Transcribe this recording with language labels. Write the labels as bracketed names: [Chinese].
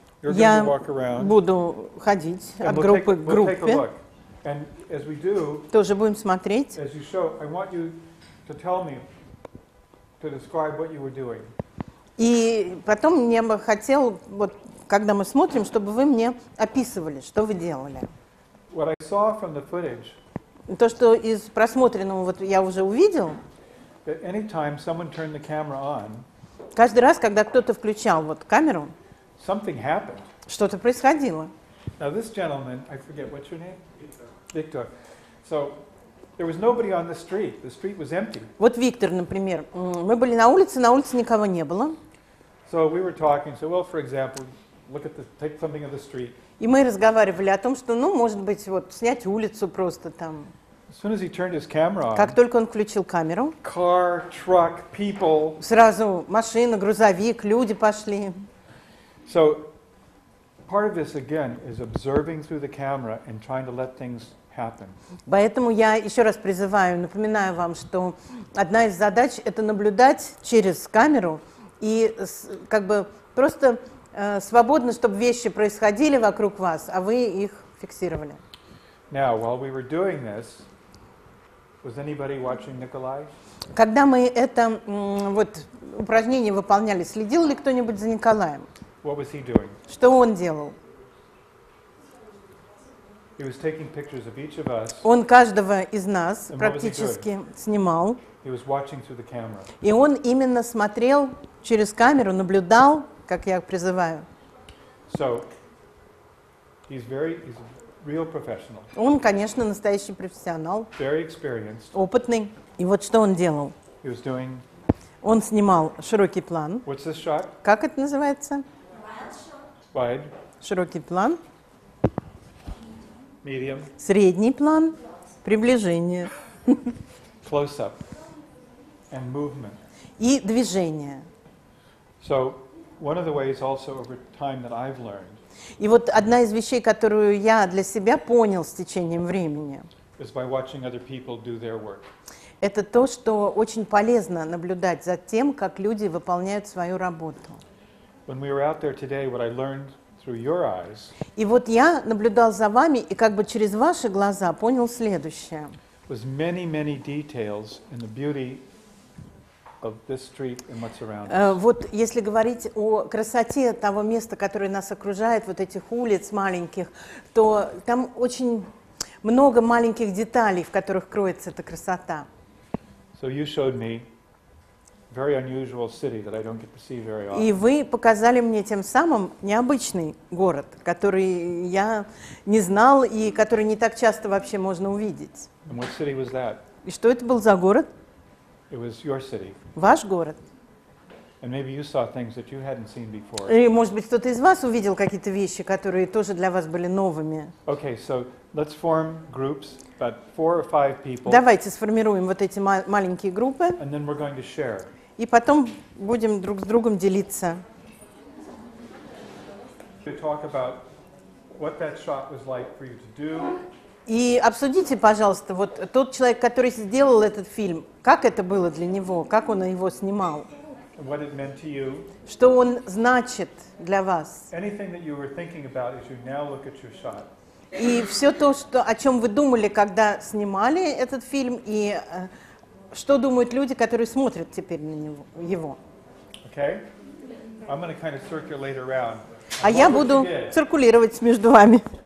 [Russian] Я буду ходить от группы к группе. [English] And as we do, [Russian] тоже будем смотреть. [English] As you show, I want you to tell me, to describe what you were doing. [Russian] И потом мне бы хотел, вот, когда мы смотрим, чтобы вы мне описывали, что вы делали. [English] What I saw from the footage, [Russian] то, что из просмотренного вот я уже увидел, [English] that anytime someone turned the camera on, [Russian] каждый раз, когда кто-то включал вот камеру, [English] something happened. [Russian] Что-то происходило. [English] Now this gentleman, I forget, what's your name? Victor. So there was nobody on the street. The street was empty. [Russian] Вот Виктор, например. Мы были на улице никого не было. [English] So we were talking, so well, for example, look at the, take something of the street. [Russian] И мы разговаривали о том, что, ну, может быть, вот, снять улицу просто там. [English] As soon as he turned his camera on, [Russian] как только он включил камеру, [English] car, truck, people, [Russian] сразу машина, грузовик, люди пошли. [English] So part of this again is observing through the camera and trying to let things happen. [Russian] Поэтому я еще раз призываю, напоминаю вам, что одна из задач это наблюдать через камеру и как бы просто свободно, чтобы вещи происходили вокруг вас, а вы их фиксировали. [English] Now, while we were doing this, was anybody watching Nikolai? [Russian] Когда мы это вот упражнение выполняли, следил ли кто-нибудь за Николаем? [English] What was he doing? [Russian] Что он делал? [English] He was taking pictures of each of us. [Russian] Он каждого из нас практически снимал. [English] He was watching through the camera. [Russian] И он именно смотрел через камеру, наблюдал, как я призываю. [English] So, he's a real professional. [Russian] Он, конечно, настоящий профессионал. [English] Very experienced. [Russian] Опытный. И вот что он делал? [English] He was doing... [Russian] Он снимал широкий план. [English] What's this shot? [Russian] Как это называется? [English] Wide. [Russian] Широкий план. [English] Medium. [Russian] Средний план. Приближение. [English] Close up. And movement. [Russian] И движение. [English] So, one of the ways also over time that I've learned. [Russian] И вот одна из вещей, которую я для себя понял с течением времени. [English] Is by watching other people do their work. [Russian] Это то, что очень полезно наблюдать за тем, как люди выполняют свою работу. [English] When we were out there today, what I learned through your eyes. [Russian] И вот я наблюдал за вами и как бы через ваши глаза понял следующее. [English] Was many, many details in the beauty of this street and what's around us. [Russian] Вот если говорить о красоте того места, которое нас окружает, вот этих улиц маленьких, то там очень много маленьких деталей, в которых кроется эта красота. [English] So you showed me very unusual city that I don't get to see very often. [Russian] И вы показали мне тем самым необычный город, который я не знал и который не так часто вообще можно увидеть. [English] And what city was that? [Russian] И что это был за город? [English] It was your city. [Russian] Ваш город. [English] And maybe you saw things that you hadn't seen before. [Russian] И, может быть, кто-то из вас увидел какие-то вещи, которые тоже для вас были новыми. [English] Okay, so let's form groups, about 4 or 5 people. [Russian] Давайте сформируем вот эти маленькие группы. [English] And then we're going to share. [Russian] И потом будем друг с другом делиться. [English] To talk about what that shot was like for you to do. [Russian] И обсудите, пожалуйста, вот тот человек, который сделал этот фильм, как это было для него, как он его снимал. [English] What it meant to you. [Russian] Что он значит для вас. [English] Anything that you were thinking about as you now look at your shot. [Russian] И все то, что, о чем вы думали, когда снимали этот фильм, и что думают люди, которые смотрят теперь на него, его. [English] Okay. I'm going to kind of circulate around. [Russian] А я буду циркулировать между вами.